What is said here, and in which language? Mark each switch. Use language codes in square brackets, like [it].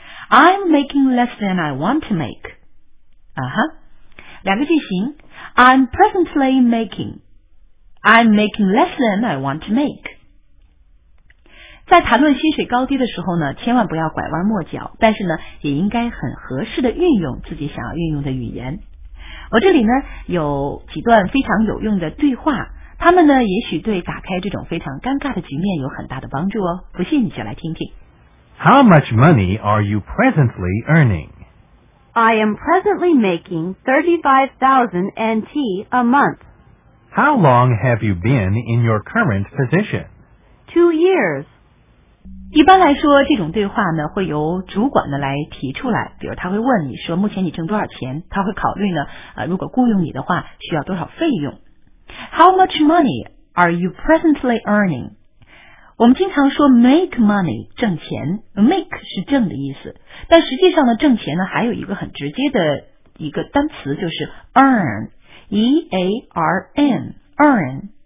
[en] I'm making less than I want to make。 [zh] 两个句型 [en] ，I'm presently making。I'm making less than I want to make。 [zh] 在谈论薪水高低的时候呢，千万不要拐弯抹角，但是呢，也应该很合适的运用自己想要运用的语言。我这里呢有几段非常有用的对话。他们呢也许对打开这种非常尴尬的局面有很大的帮助哦，不信你就来听听。 [en] How much money are you presently earning? I am presently making 35,000 NT a month. How long have you been in your current position? 2 years. [zh] 一般来说这种对话呢会由主管呢来提出来，比如他会问你说目前你挣多少钱，他会考虑呢如果雇佣你的话需要多少费用。 [en] How much money are you presently earning? [zh] 我们经常说 make money 挣钱， make 是挣的意思，但实际上呢挣钱呢还有一个很直接的一个单词，就是 earn， E-A-R-N， earn。